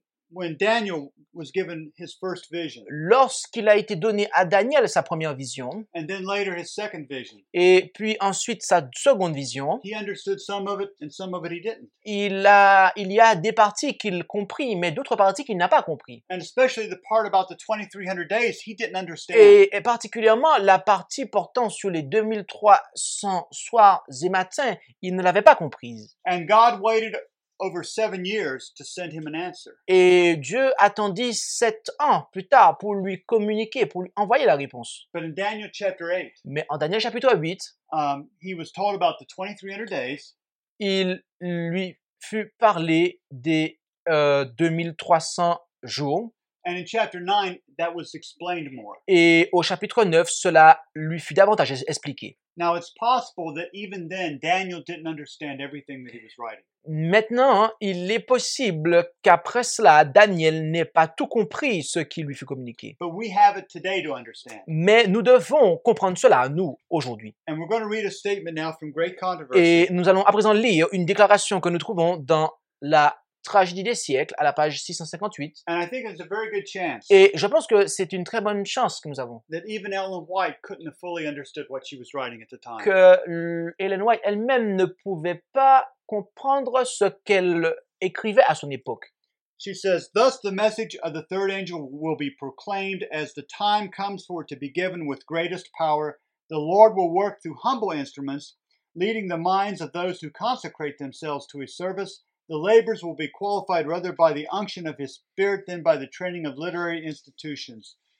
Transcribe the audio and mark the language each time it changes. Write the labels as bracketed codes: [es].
[en] When Daniel was given his first vision, [fr] lorsqu'il a été donné à Daniel sa première vision, [en] and then later his second vision, [fr] et puis ensuite sa seconde vision, [en] he understood some of it and some of it he didn't. [fr] Il y a des parties qu'il comprit, mais d'autres parties qu'il n'a pas compris. [en] And especially the part about the 2300 days, he didn't understand. [fr] Et particulièrement la partie portant sur les 2300 soirs et matins, il ne l'avait pas comprise. [en] And God waited over 7 years to send him an answer. [fr] Et Dieu attendit 7 ans plus tard pour lui communiquer, pour lui envoyer la réponse. [en] But in Daniel chapter 8, [fr] mais en Daniel chapitre 8, [en] he was told about the 2300 days. [fr] Il lui fut parlé des 2300 jours. [en] And in chapter 9, that was explained more. [fr] Et au chapitre 9, cela lui fut davantage expliqué. [en] Now it's possible that even then Daniel didn't understand everything that he was writing. [fr] Maintenant, il est possible qu'après cela, Daniel n'ait pas tout compris ce qui lui fut communiqué. [en] But we have it today to understand. [fr] Mais nous devons comprendre cela, nous, aujourd'hui. [en] And we're going to read a statement now from Great Controversy. [fr] Et nous allons à présent lire une déclaration que nous trouvons dans la Tragédie des siècles, à la page 658. [en] And I think it's a very good chance. [fr] Et je pense que c'est une très bonne chance que nous avons. [en] That even Ellen White couldn't have fully understood what she was writing at the time. [fr] Que Ellen White elle-même ne pouvait pas comprendre ce qu'elle écrivait à son époque. [en] She says, "Thus the message of the third angel will be proclaimed as the time comes for it to be given with greatest power. The Lord will work through humble instruments, leading the minds of those who consecrate themselves to his service. The labors will be qualified rather by the unction of his spirit than by the training of literary institutions."